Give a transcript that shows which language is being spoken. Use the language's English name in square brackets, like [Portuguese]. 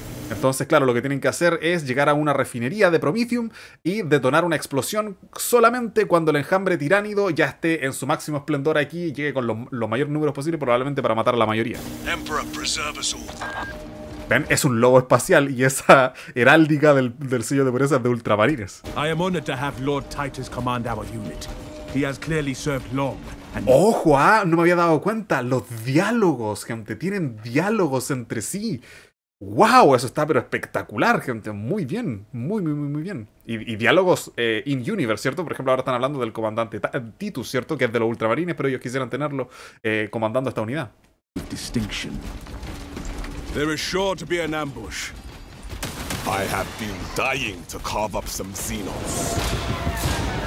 [Spanish] Entonces, claro, lo que tienen que hacer es llegar a una refinería de Promethium y detonar una explosión solamente cuando el enjambre tiránido ya esté en su máximo esplendor aquí y llegue con los mayores números posibles, probablemente para matar a la mayoría. [English] Emperor, preserve us all. [Spanish] ¿Ven? Es un lobo espacial y esa heráldica del sello de pureza es de ultramarines. [English] I am honored to have Lord Titus command our unit. He has clearly served long. [Spanish] ¡Ojo! No me había dado cuenta. Los diálogos, gente. Tienen diálogos entre sí. ¡Wow! Eso está pero espectacular, gente. Muy bien. Muy, muy, muy, muy bien. Y diálogos in-universe, ¿cierto? Por ejemplo, ahora están hablando del comandante Titus, ¿cierto? Que es de los ultramarines, pero ellos quisieran tenerlo comandando esta unidad. [English] Distinction. There is sure to be an ambush. I have been dying to carve up some xenos.